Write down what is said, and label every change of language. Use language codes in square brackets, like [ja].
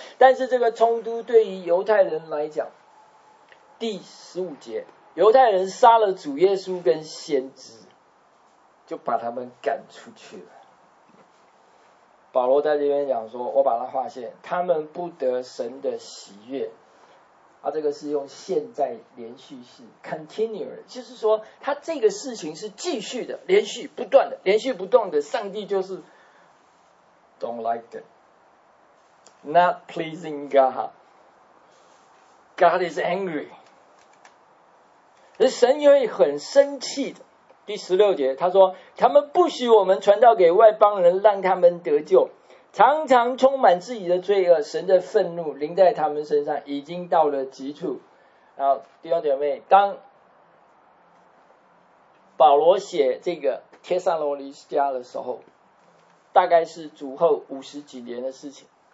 [zh] 但是这个冲突对于犹太人来讲，第十五节，犹太人杀了主耶稣跟先知，就把他们赶出去了。保罗在这边讲说，我把他划线，他们不得神的喜悦。啊，这个是用现在连续式 continue， 就是说他这个事情是继续的，连续不断的，连续不断的。上帝就是 [en] don't like them， not pleasing God， God is angry， [zh] 神因为很生气的。第十六节他说，他们不许我们传道给外邦人，让他们得救，常常充满自己的罪恶，神的愤怒临在他们身上，已经到了极处。然后弟兄姐妹，当保罗写这个帖撒罗尼迦的时候，大概是主后五十几年的事情。